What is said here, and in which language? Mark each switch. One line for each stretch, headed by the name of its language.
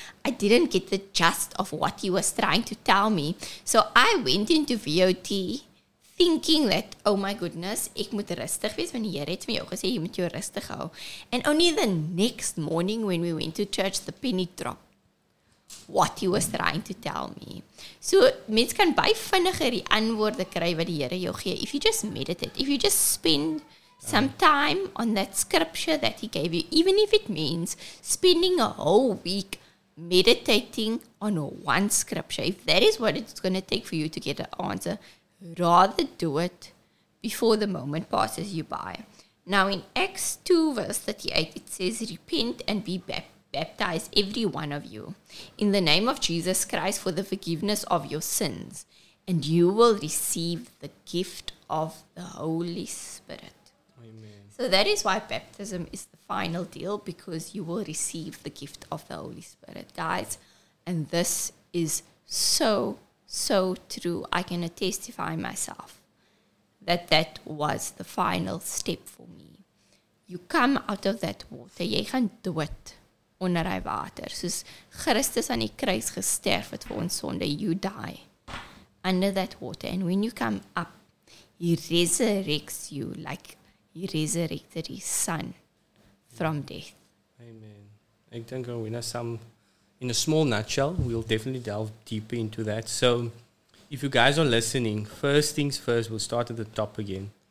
English: I didn't get the gist of what he was trying to tell me. So I went into VOT thinking that, oh my goodness,
Afrikaans: ek moet rustig wees, want die Here het my jou gesê, jy moet jou rustig hou.
English: And only the next morning when we went to church, the penny dropped. What he was trying to tell me.
Afrikaans: So, mens kan baie vinniger die antwoorde kry wat die Here jou gee.
English: If you just meditate, if you just spend some time on that scripture that he gave you, even if it means spending a whole week meditating on one scripture, if that is what it's going to take for you to get an answer, rather do it before the moment passes you by. Now, in Acts 2 verse 38, it says, repent and be baptized. Baptize every one of you in the name of Jesus Christ for the forgiveness of your sins, and you will receive the gift of the Holy Spirit. Amen. So that is why baptism is the final deal, because you will receive the gift of the Holy Spirit, guys. And this is so, so true. I can testify myself that that was the final step for me. You come out of that water.
Afrikaans: Jy gaan dood onder die water. Soos Christus aan die kruis gesterf het vir ons sonde,
English: you die under that water. And when you come up, He resurrects you like He resurrected His Son from death. Amen.
Afrikaans: Ek dink,
English: Rowena, in a small nutshell, we'll definitely delve deeper into that. So, if you guys are listening, first things first, we'll start at the top again.